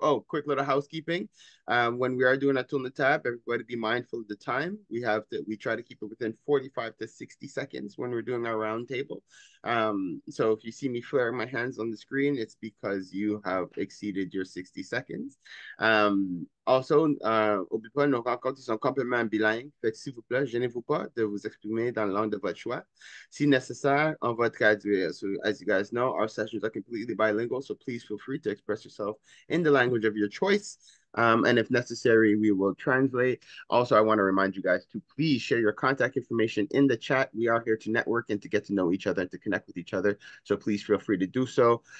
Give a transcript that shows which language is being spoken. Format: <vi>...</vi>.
<en>Oh, quick little housekeeping. When we are doing a tool in the tab, everybody be mindful of the time. We try to keep it within 45 to 60 seconds when we're doing our round table. So if you see me flaring my hands on the screen, it's because you have exceeded your 60 seconds.</en> <fr>Also, n'oubliez pas, nos rencontres sont complètement bilingues. Faites s'il vous plaît, gênez-vous pas de vous exprimer dans la langue de votre choix. Si nécessaire, on va traduire.</fr> <en>So as you guys know, our sessions are completely bilingual, so please feel free to express yourself in the language of your choice. And if necessary, we will translate. Also, I want to remind you guys to please share your contact information in the chat. We are here to network and to get to know each other and to connect with each other. So please feel free to do so.</en>